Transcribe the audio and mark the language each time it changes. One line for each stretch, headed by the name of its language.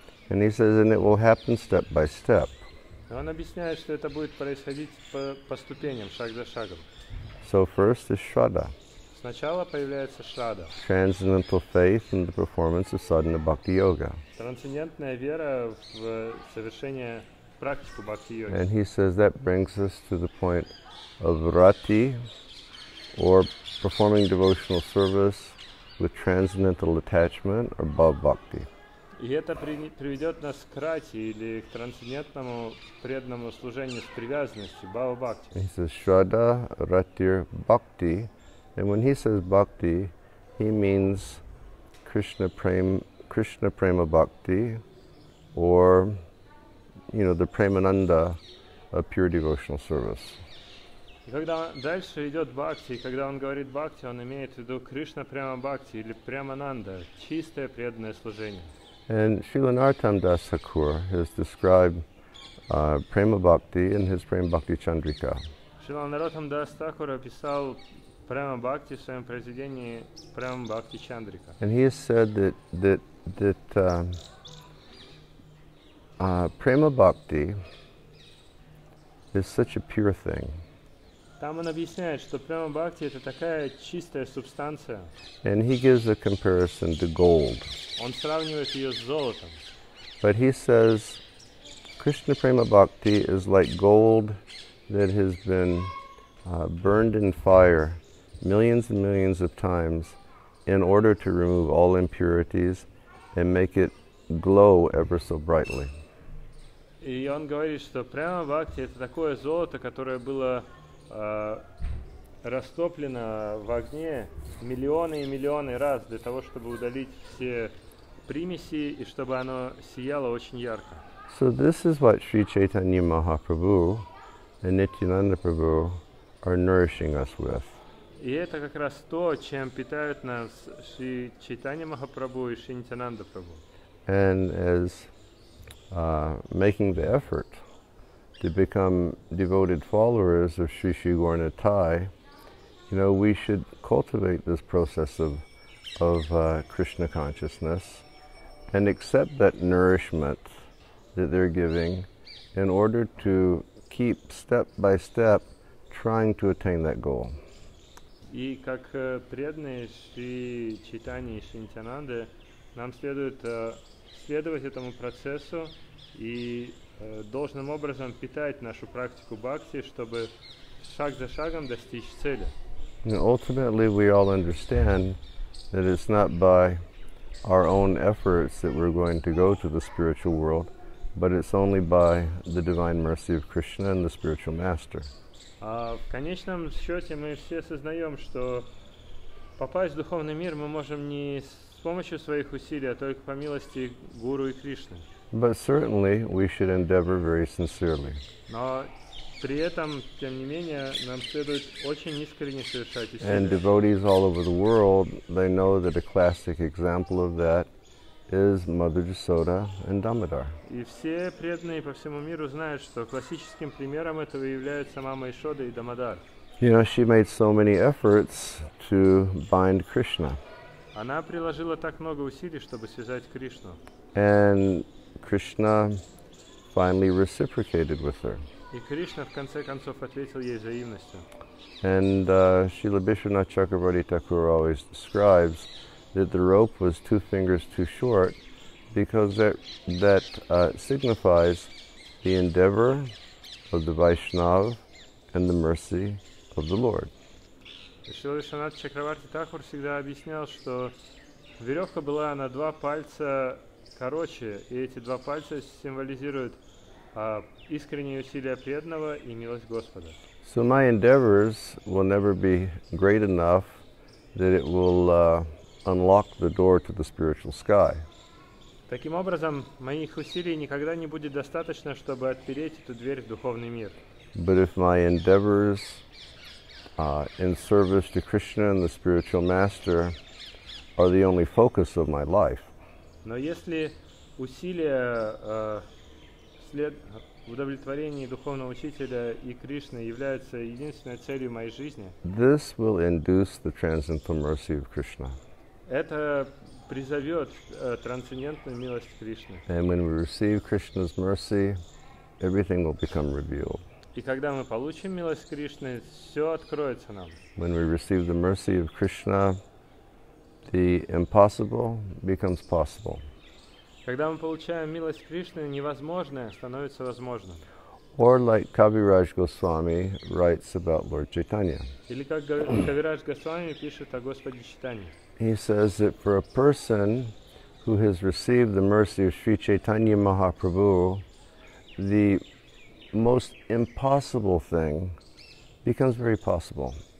English: And he says, and it will happen step by step.
Russian: И он объясняет, что это будет происходить по ступеням, шаг за шагом.
English: So first is Shraddha.
Russian: Сначала появляется Shraddha.
English: Transcendental faith in the performance of sadhana bhakti yoga.
Russian: Трансцендентная вера в совершение практику бхакти йоги.
English: And he says that brings us to the point of rati, or performing devotional service with transcendental attachment or bhava bhakti.
Russian: И это приведет нас к рати или к трансцендентному преданному служению с привязанностью bhava bhakti.
English: He says Shraddha Ratir Bhakti. And when he says bhakti, he means Krishna prema bhakti, or the premananda of pure devotional service.
Russian: Когда дальше идет бхакти, когда он говорит бхакти, он имеет в виду Кришна према бхакти или премананда, чистое преданное служение.
English: And Srila Narottam Das Thakur has described prema bhakti in his Prema Bhakti Chandrika.
Russian: Srila Narottam Das Thakur описал Prema Bhakti в своем произведении Prema Bhakti Chandrika.
English: And he has said that Prema Bhakti is such a pure thing.
Russian: Там он объясняет, что Prema Bhakti это такая чистая субстанция.
English: And he gives a comparison to gold.
Russian: Он сравнивает ее с золотом.
English: But he says Krishna Prema Bhakti is like gold that has been burned in fire millions and millions of times in order to remove all impurities and make it glow ever so brightly.
Russian: И он говорит, что прямо бхакти это такое золото, которое было растоплено в огне миллионы и миллионы раз для того, чтобы удалить все примеси и чтобы оно сияло очень ярко.
English: So this is what Sri Chaitanya Mahaprabhu and Nityananda Prabhu are nourishing us with.
Russian: И это как раз то, чем питают нас Шри Чайтанья Махапрабху и Шри Нитьянанда Прабху.
English: And as making the effort to become devoted followers of Sri Sri Gaura-Nitai, we should cultivate this process of Krishna consciousness and accept that nourishment that they're giving in order to keep step by step trying to attain that goal.
Russian: И как преданные Шри Чайтанья и Шри Нитьянанды, нам следует следовать этому процессу и должным образом питать нашу практику бхакти, чтобы шаг за шагом достичь цели.
English: Ultimately, we all understand that it's not by our own efforts that we're going to go to the spiritual world, but it's only by the divine mercy of Krishna and the spiritual master.
Russian: В конечном счете мы все осознаем, что попасть в духовный мир мы можем не с помощью своих усилий, а только по милости Гуру и Кришны.
English: But certainly we should endeavor very sincerely.
Russian: Но при этом, тем не менее, нам следует очень искренне совершать усилия.
English: And devotees all over the world, they know that a classic example of that is Mother Jasoda and Damodar.
Russian: И все преданные по всему миру знают, что классическим примером этого являются мама Ишода и Дамодар.
English: You know, she made so many efforts to bind Krishna.
Russian: Она приложила так много усилий, чтобы связать Кришну.
English: And Krishna finally reciprocated with her.
Russian: И Кришна в конце концов ответил ей взаимностью.
English: And Srila Bishwanath Chakravarti Thakur always describes that the rope was two fingers too short, because that signifies the endeavor of the Vaishnav and the mercy of the Lord.
Russian: Srila Bishwanath Chakravarti Thakur всегда объяснял, что веревка была на два пальца короче, и эти два пальца символизируют искренние усилия преданного и милость Господа.
English: So my endeavors will never be great enough that it will unlock the door to the spiritual sky.
Russian: Таким образом, моих усилий никогда не будет достаточно, чтобы отпереть эту дверь в духовный мир.
English: But if my endeavors in service to Krishna and the spiritual master are the only focus of my life.
Russian: Но если усилия след удовлетворение духовного учителя и Кришны является единственной целью моей жизни.
English: This will induce the transcendental mercy of Krishna.
Russian: Это призовет трансцендентную милость Кришны.
English: And when we receive Krishna's mercy, everything will become revealed.
Russian: И когда мы получим милость Кришны, все откроется нам.
English: When we receive the mercy of Krishna, the impossible becomes possible.
Russian: Когда мы получаем милость Кришны, невозможное становится возможным.
English: Or like Kaviraj Goswami writes about Lord Chaitanya.
Russian: Или как Кавирадж Госвами пишет о Господе Чайтанье.
English: He says that for a person who has received the mercy of Sri Chaitanya Mahaprabhu, the most impossible thing becomes very possible.